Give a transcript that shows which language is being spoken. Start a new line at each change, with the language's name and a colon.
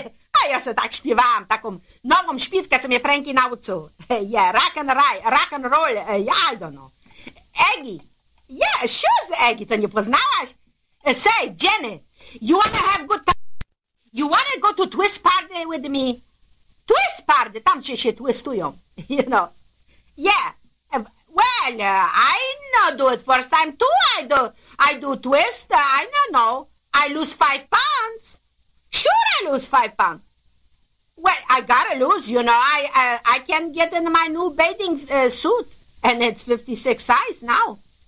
Polish: A ja se tak śpiewam, taką nową śpiewkę, co mnie Frankie nauczył.
English: Yeah, rock and roll, yeah, I don't know. Eggy. Yeah, sure,
Polish: Eggy, to nie poznałaś?
English: Say, Jenny, you wanna have good time? You wanna go to twist party with me?
Polish: Twist party, tam ci się twistują,
English: you know. Yeah, well, I not do it first time too. I do twist, I don't know. I lose 5 pounds. Sure, I lose 5 pounds. Well, I gotta lose, you know. I can get in my new bathing suit, and it's 56 size now.